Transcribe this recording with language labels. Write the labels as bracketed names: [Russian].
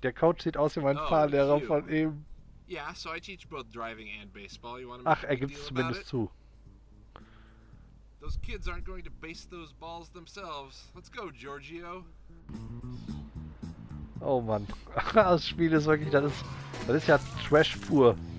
[German] Der Coach sieht aus wie mein Fahrlehrer von eben. [English] Yeah, so I teach both driving and baseball. You want to make [German] Ach, er gibt es zumindest zu. [English] Those kids aren't going to base those balls themselves. Let's go, Giorgio. [German] Oh Mann, das Spiel ist wirklich, das ist ja Trash pur.